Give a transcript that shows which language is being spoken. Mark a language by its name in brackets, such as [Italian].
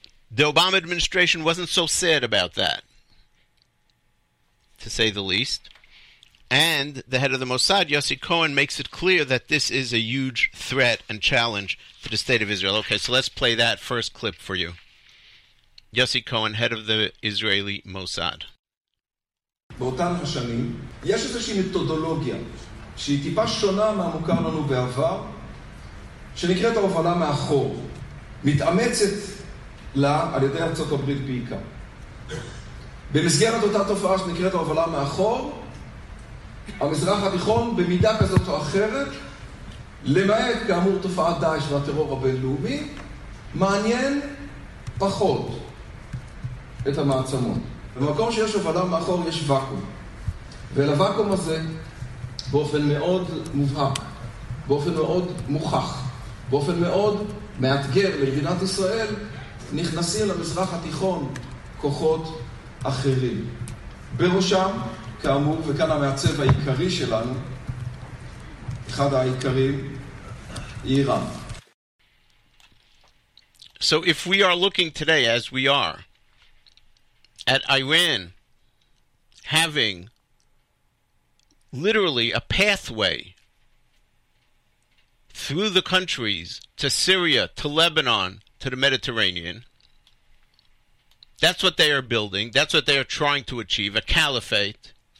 [English] The Obama administration wasn't so sad about that, to say the least. And the head of the Mossad, Yossi Cohen, makes it clear that this is a huge threat and challenge to the state of Israel. Okay, so let's play that first clip for you. יוסי כהן, head of the Israeli Mossad. [Hebrew] באותן השנים, יש איזושהי מתודולוגיה שהיא טיפה שונה מהמוכר לנו בעבר, שנקראת ההובלה מאחור, מתאמצת לה על ידי ארצות הברית בעיקר. במסגרת אותה תופעה שנקראת ההובלה מאחור, המזרח התיכון במידה כזאת או אחרת, למעט כאמור תופעת דאעש והטרור הבינלאומי, מעניין פחות את המעצמות. במקום שיש הובלה מאחור יש וקום. ואל הוואקום הזה, באופן מאוד מובהק, באופן מאוד מוכח, באופן מאוד מאתגר למדינת ישראל, נכנסים למזרח התיכון כוחות אחרים. בראשם, כאמור, וכאן המעצב העיקרי שלנו, אחד העיקרים, איראן. [English] So if we are looking today, as we are, at Iran having literally a pathway through the countries to Syria, to Lebanon, to the Mediterranean, that's what they are building, that's what they are trying to achieve, a caliphate.